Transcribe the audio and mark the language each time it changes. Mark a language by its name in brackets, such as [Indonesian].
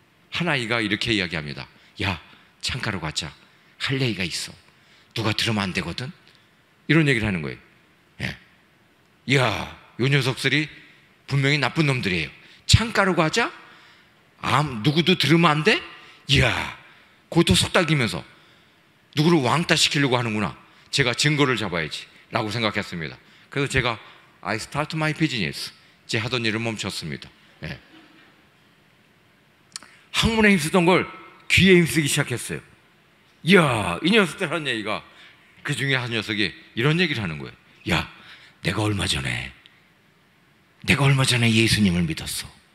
[Korean] 한 아이가 이렇게 이야기합니다. 야, 창가로 가자. 할 얘기가 있어. 누가 들으면 안 되거든. 이런 얘기를 하는 거예요. 예. 야, 요 녀석들이 분명히 나쁜 놈들이에요. 창가로 가자? 누구도 들으면 안 돼? 야, 그것도 속닥이면서 누구를 왕따 시키려고 하는구나. 제가 증거를 잡아야지 라고 생각했습니다. 그래서 제가 [English] I start my business. [Korean] 제 하던 일을 멈췄습니다. 예. 학문에 힘쓰던 걸 귀에 힘쓰기 시작했어요. 이야, 이 녀석들 하는 얘기가 그 중에 한 녀석이 이런 얘기를 하는 거예요. 야, 내가 얼마 전에 예수님을 믿었어.